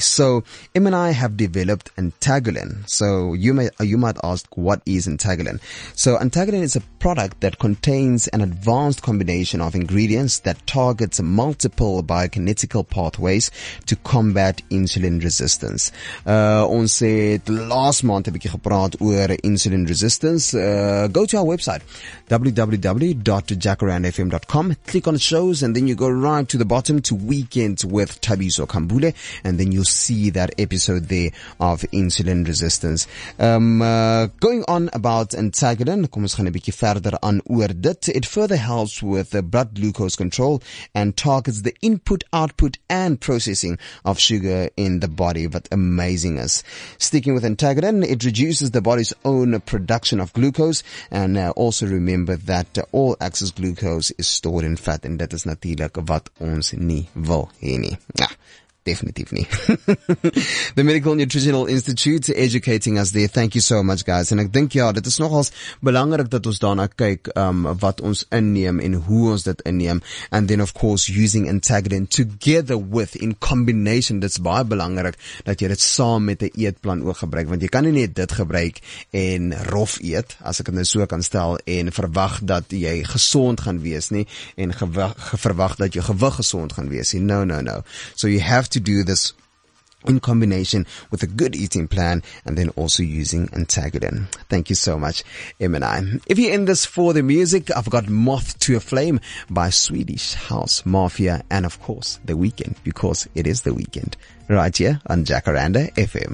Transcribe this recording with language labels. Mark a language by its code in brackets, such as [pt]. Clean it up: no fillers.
[en] So, M&I have developed Entagulin. So, you might ask, what is Entagulin? So, Entagulin is a product that contains an advanced combination of ingredients that targets multiple biokinetical pathways to combat insulin resistance. [af] Ons het [en] last month [af] 'n bietjie gepraat oor insulin resistance. [en] Go to our website, www.jacarandafm.com. Click on shows and then you go right to the bottom to Weekends with Thabiso Kambule, and then you'll see that episode there of insulin resistance. Going on about [af] Entagulin, kom ons gaan 'n bietjie verder aan oor dit. [en] It further helps with the blood glucose control and targets the input, output and processing of sugar in the body. But amazing is, sticking with Entagulin, it reduces the body's own production of glucose, and also remember that all excess glucose is stored in fat, and that is [af] natuurlik wat ons nie wil hê nie. [en] Ah, [af] definitief nie. [en] The Medical Nutritional Institute educating us there. Thank you so much, guys. [af] En ek dink ja, dit is nogals belangrik dat ons daarna kyk wat ons inneem en hoe ons dit inneem. [en] And then of course using Entagulin together with, in combination, [af] dit's baie belangrik dat jy dit saam met 'n eetplan ook gebruik, want jy kan nie net dit gebruik en rof eet, as ek dit nou so kan stel, en verwag dat jy gesond gaan wees nie, en verwag dat jy gewig gesond gaan wees nie. [en] No. So you have to do this in combination with a good eating plan, and then also using Entagulin. Thank you so much, M&I. If you're in this for the music, I've got Moth to a Flame by Swedish House Mafia, and of course The Weeknd, because it is The Weeknd, right here on Jacaranda FM.